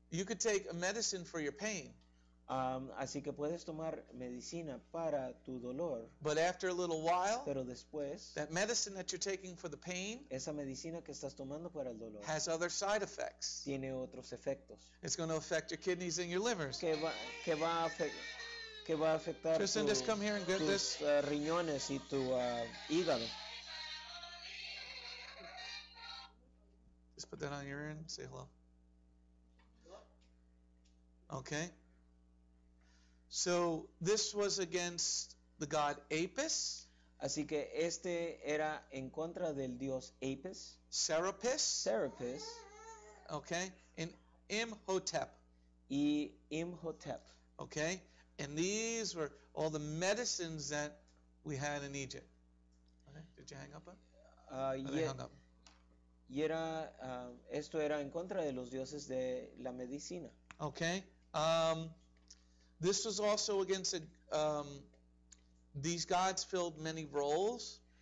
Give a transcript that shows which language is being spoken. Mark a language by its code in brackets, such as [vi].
[en] You could take a medicine for your pain. [es] Así que puedes tomar medicina para tu dolor. [en] But after a little while, [es] pero después, [en] that medicine that you're taking for the pain, [es] esa medicina que estás tomando para el dolor, [en] has other side effects. [es] Tiene otros efectos. [en] It's going to affect your kidneys and your livers. [es] Que va a afectar [en] Tristan, [es] tus, [en] just come here and get [es] tus, [en] this. [es] Riñones y tu hígado. [en] Just put that on your ear and say hello. Okay. So this was against the god Apis. [es] Así que este era en contra del dios Apis. [en] Serapis. Okay. And Imhotep. [es] Y Imhotep. [en] Okay. And these were all the medicines that we had in Egypt. Okay. Did you hang up? Hung up. [es] Y era esto era en contra de los dioses de la medicina. [en] Okay. This was also against these gods filled many roles.